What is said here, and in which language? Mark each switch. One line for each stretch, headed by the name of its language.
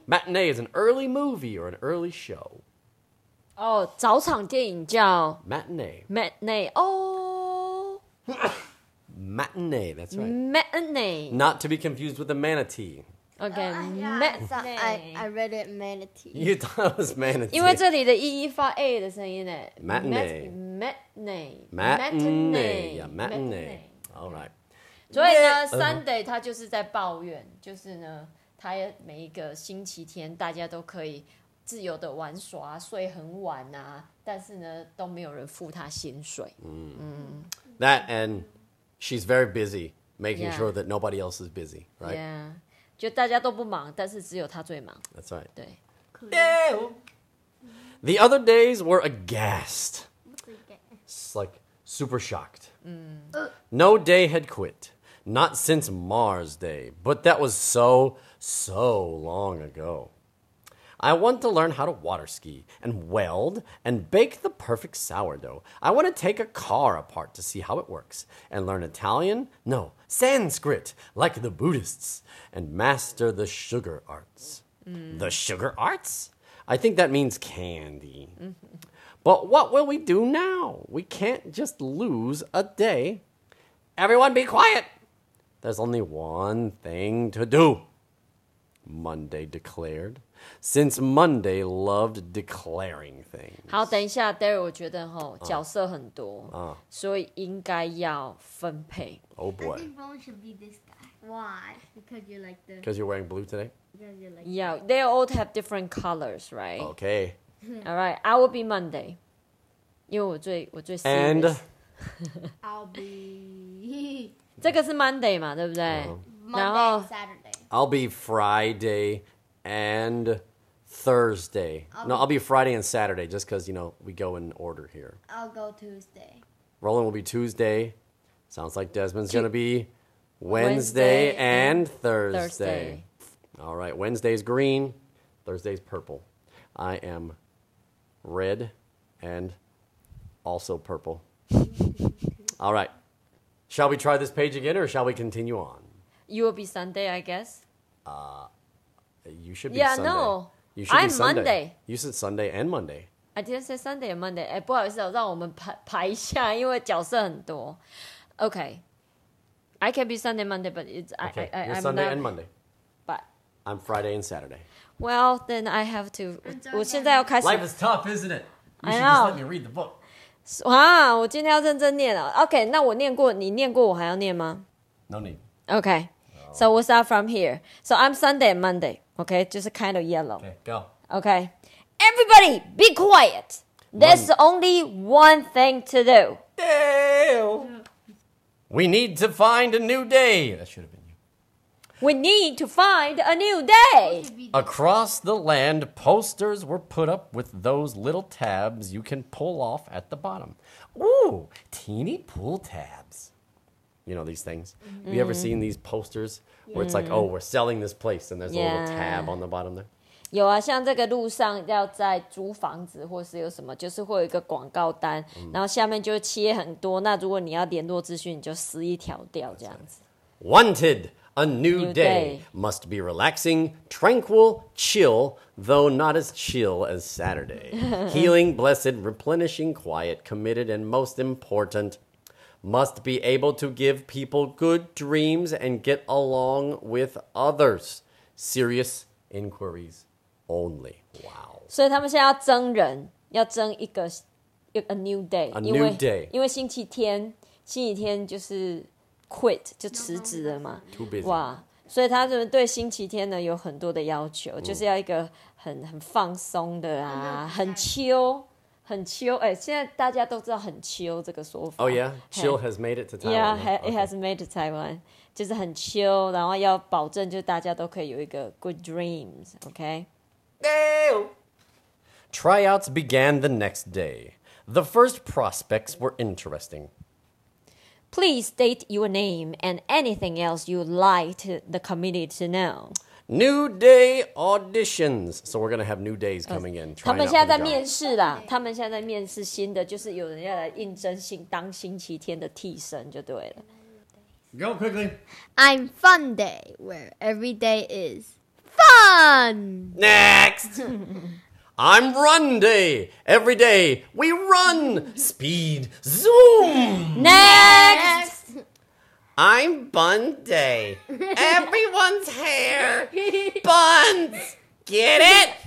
English: Matinee is an early movie or an early show.
Chinese: Oh, 早场电影叫...
English: matinee. Matinee. Oh! Matinee, that's right. Matinee. Not to be confused with a manatee. Okay, matinee. So I read it manatee. You thought it was manatee.
Chinese: 因为这里的E发A的声音呢。
English: Matinee. Matinee. Yeah, matinee. All right.
Chinese: 所以呢,Sunday他就是在抱怨,就是呢,他每一个星期天大家都可以自由的玩耍,睡很晚啊,但是呢,都没有人付他薪水。
English: That and she's very busy making sure that nobody else is busy, right? Yeah.
Chinese: 就大家都不忙,但是只有他最忙.
English: That's right.
Chinese: 对.
English: Dale! The other days were aghast. Like, super shocked. Mm. No day had quit. Not since Mars Day. But that was so, so long ago. I want to learn how to water ski, and weld, and bake the perfect sourdough. I want to take a car apart to see how it works, and learn Italian, no, Sanskrit, like the Buddhists, and master the sugar arts. Mm. The sugar arts? I think that means candy. Mm-hmm. But what will we do now? We can't just lose a day. Everyone be quiet! There's only one thing to do. Monday declared. Since Monday loved declaring things.
Chinese: 好, 等一下, Daryl, 我觉得, 齁, 角色很多, 所以应该要分配。
English: Oh boy. I think Bone should be this guy. Why? Because you're like the... Because you're wearing blue today? Because you're like... Yeah, they all have different colors, right? Okay. All right, I will be Monday.
Chinese: 因为我最
English: serious. And? I'll be...
Chinese: 这个是 Monday嘛, 对不对?
English: Monday,
Chinese: 然后,
English: Saturday. I'll be Friday... and Thursday. I'll be Friday and Saturday just because, you know, we go in order here. I'll go Tuesday. Roland will be Tuesday. Sounds like Desmond's going to be Wednesday and Thursday. Thursday. All right. Wednesday's green. Thursday's purple. I am red and also purple. All right. Shall we try this page again or shall we continue on? You will be Sunday, I guess. You should be Sunday. Yeah, no. You should I'm be Sunday. Monday. You said Sunday and Monday. I didn't say Sunday and Monday.
Chinese: 不好意思,让我们排一下,因为角色很多.
English: Okay. I can be Sunday and Monday, but it's... Okay, I'm Sunday not, and Monday. But... I'm Friday and Saturday. Well, then I have to...
Chinese: 我现在要开始...
English: Life is tough, isn't it? I know. You should just let me read the book.
Chinese: 啊,我今天要认真念了。Okay, 那我念过,你念过我还要念吗?
English: No need. Okay. No. So we'll start from here. So I'm Sunday and Monday. Okay. Just kind of yellow. Okay. Go. Okay. Everybody be quiet. There's only one thing to do. Dale. We need to find a new day. That should have been you. We need to find a new day. Across the land, posters were put up with those little tabs you can pull off at the bottom. Ooh, teeny pool tabs. You know these things? Mm-hmm. Have you ever seen these posters where it's like, oh, we're selling this place, and there's a little tab on the bottom there?
Chinese: 有啊，像这个路上要在租房子或是有什么，就是会有一个广告单，然后下面就切很多。那如果你要联络资讯，你就撕一条掉这样子。
English: Wanted a new day must be relaxing, tranquil, chill, though not as chill as Saturday. Healing, blessed, replenishing, quiet, committed, and most important, must be able to give people good dreams and get along with others. Serious inquiries. Only. Wow.
Chinese: 所以他们现在要征人，要征一个
English: a new day. A new day.
Chinese: 因为星期天就是
English: quit,
Chinese: 就辞职了嘛。
English: Too busy.
Chinese: 哇，所以他们对星期天呢有很多的要求，就是要一个很放松的啊，很
English: chill,
Chinese: 很 chill. 哎，现在大家都知道很
English: chill
Chinese: 这个说法。
English: Oh yeah, chill has made it to Taiwan. Yeah, it has made it to Taiwan.
Chinese: 就是很 chill, 然后要保证就大家都可以有一个
English: good dreams,
Chinese: okay?
English: Tryouts began the next day. The first prospects were interesting. Please state your name and anything else you'd like the committee to know. New day auditions. So we're going to have new days coming in.
Chinese: 他们现在在面试啦，他们现在在面试新的，就是有人要来应征新当星期天的替身就对了。
English: Go quickly. I'm fun day, where every day is. Fun! Next! I'm Run Day! Every day we run! Speed! Zoom! Next! I'm Bun Day! Everyone's hair! Buns! Get it?